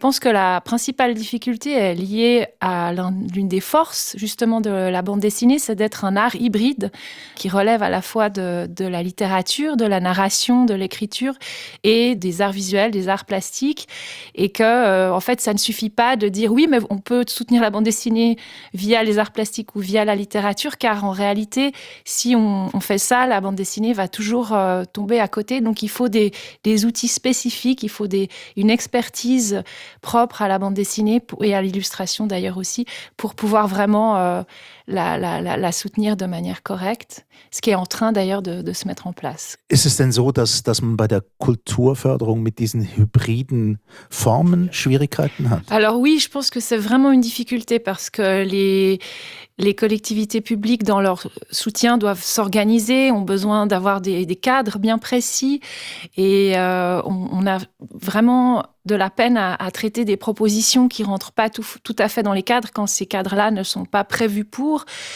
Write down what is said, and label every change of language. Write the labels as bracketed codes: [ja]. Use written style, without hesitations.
[fr] pense que la principale difficulté est liée à l'une des forces justement de la bande dessinée, c'est d'être un art hybride qui relève à la fois de la littérature, de la narration, de l'écriture et des arts visuels, des arts plastiques, et que en fait ça ne suffit pas de dire oui mais on peut soutenir la bande dessinée via les arts plastiques ou via la littérature, car en réalité si on fait ça, la bande dessinée va toujours tomber à côté. Donc il faut des outils spécifiques, il faut une expertise propre à la bande dessinée et à l'illustration d'ailleurs aussi, pour pouvoir vraiment la soutenir de manière correcte, ce qui est en train d'ailleurs de se mettre en place. [de] Ist es denn so, dass man bei der Kulturförderung mit diesen hybriden Formen Schwierigkeiten hat? [fr] Alors oui, je pense que c'est vraiment une difficulté, parce que les collectivités publiques dans leur soutien doivent s'organiser, ont besoin d'avoir des cadres bien précis, et on a vraiment de la peine à traiter des propositions qui rentrent pas tout à fait dans les cadres quand ces cadres-là ne sont pas prévus pour.